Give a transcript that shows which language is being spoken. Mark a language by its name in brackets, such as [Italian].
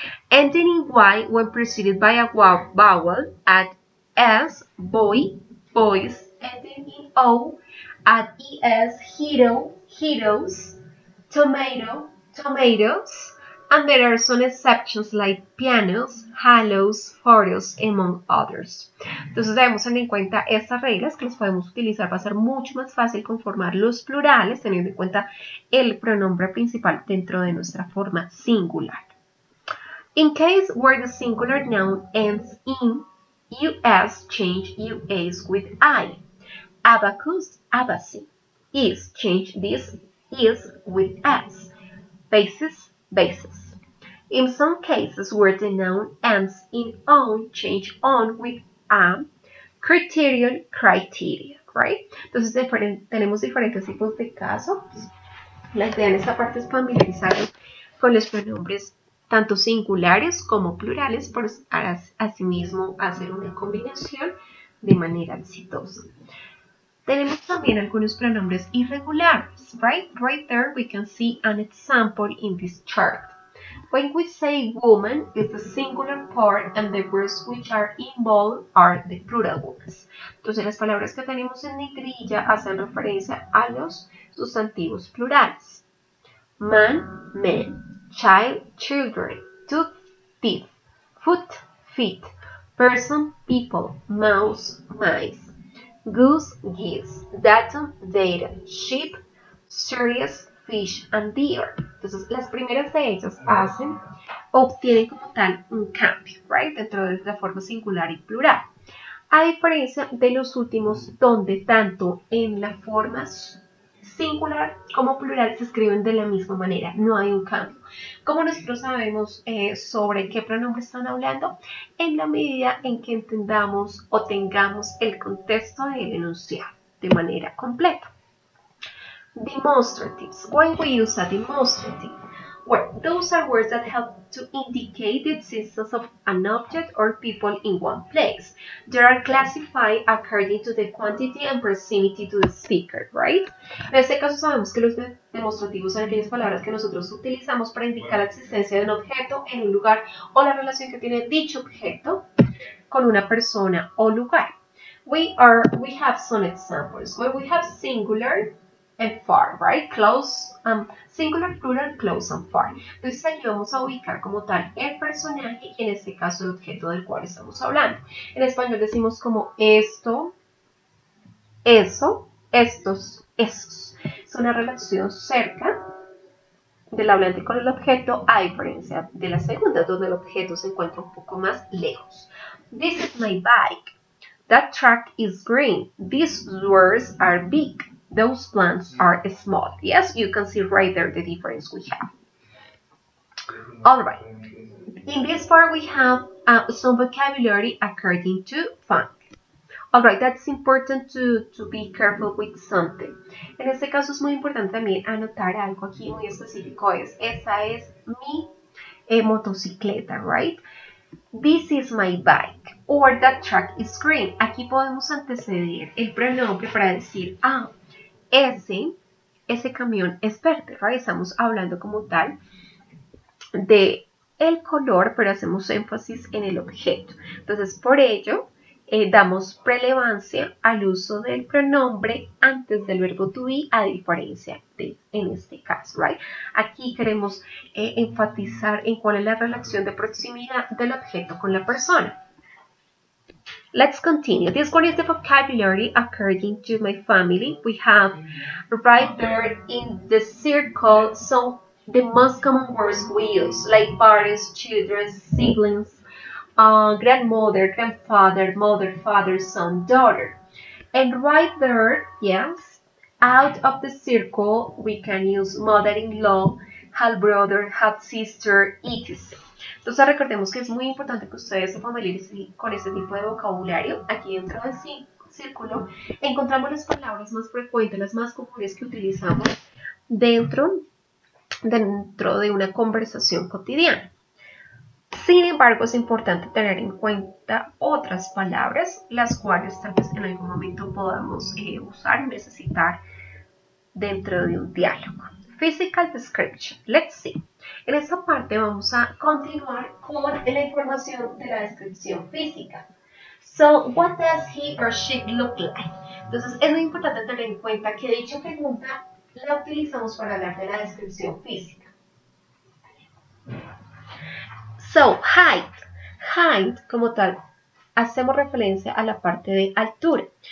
[English] Ending in Y when preceded by a vowel, add S, boy, boys. Ending in O, add ES, hero, heroes. Tomato, tomatoes. And there are some exceptions like pianos, halos, photos, among others. [Spanish] Entonces debemos tener en cuenta estas reglas que las podemos utilizar. Va a ser mucho más fácil conformar los plurales teniendo en cuenta el pronombre principal dentro de nuestra forma singular. [English] In case where the singular noun ends in us, change us with I. Abacus, abacy. Is, change this is with s. Basis, basis. In some cases where the noun ends in on, change on with a. Criterion, criteria, right? [Spanish] Entonces tenemos diferentes tipos de casos. La idea en esta parte es familiarizarnos con los pronombres tanto singulares como plurales por asimismo hacer una combinación de manera exitosa. Tenemos también algunos pronombres irregulares, [English] right? Right there we can see an example in this chart. When we say woman, it's the singular part and the words which are involved are the plural ones. [Spanish] Entonces las palabras que tenemos en negrilla hacen referencia a los sustantivos plurales. [English] Man, men. Child, children. Tooth, teeth. Foot, feet. Person, people. Mouse, mice. Goose, geese. Datum, data. Sheep, serious, fish, and deer. [Spanish] Entonces, las primeras de ellas hacen, obtienen como tal un cambio, [English] right? [Spanish] Dentro de la forma singular y plural. A diferencia de los últimos, donde tanto en la forma singular como plural se escriben de la misma manera, no hay un cambio. ¿Cómo nosotros sabemos sobre qué pronombre están hablando? En la medida en que entendamos o tengamos el contexto del enunciado de manera completa. [English] Demonstratives. When we use a demonstrative? Well, those are words that help to indicate the existence of an object or people in one place. They are classified according to the quantity and proximity to the speaker, right? [Spanish] En este caso sabemos que los demostrativos son aquellas palabras que nosotros utilizamos para indicar la existencia de un objeto en un lugar o la relación que tiene dicho objeto con una persona o lugar. [English] We have some examples. Well, we have singular and far, right? Close, singular, plural, close and far. [Spanish] Entonces aquí vamos a ubicar como tal el personaje y en este caso el objeto del cual estamos hablando. En español decimos como esto, eso, estos, esos. Es una relación cerca del hablante con el objeto a diferencia de la segunda donde el objeto se encuentra un poco más lejos. [English] This is my bike. That track is green. These doors are big. Those plants are small. Yes, you can see right there the difference we have. All right. In this part, we have some vocabulary according to Funk. All right, that's important to be careful with something. [Spanish] En este caso, es muy importante también anotar algo aquí muy específico. Esa es mi motocicleta, [English] right? This is my bike. Or that truck is green. [Spanish] Aquí podemos anteceder el pronombre para decir, ah, ese camión es verde, ¿verdad? Estamos hablando como tal de el color, pero hacemos énfasis en el objeto. Entonces, por ello, damos relevancia al uso del pronombre antes del verbo to be, a diferencia de en este caso, [English] ¿right? [Spanish] Aquí queremos enfatizar en cuál es la relación de proximidad del objeto con la persona. [English] Let's continue. This one is the vocabulary according to my family. We have right there in the circle some the most common words we use, like parents, children, siblings, grandmother, grandfather, mother, father, son, daughter. And right there, yes, out of the circle, we can use mother-in-law, half-brother, half-sister, etc. [Spanish] Entonces recordemos que es muy importante que ustedes se familiaricen con este tipo de vocabulario. Aquí dentro del círculo encontramos las palabras más frecuentes, las más comunes que utilizamos dentro de una conversación cotidiana. Sin embargo, es importante tener en cuenta otras palabras, las cuales tal vez en algún momento podamos usar, necesitar dentro de un diálogo. [English] Physical description. Let's see. [Spanish] En esta parte vamos a continuar con la información de la descripción física. [English] So, what does he or she look like? [Spanish] Entonces, es muy importante tener en cuenta que dicha pregunta la utilizamos para hablar de la descripción física. So, height. Height, como tal, hacemos referencia a la parte de altura.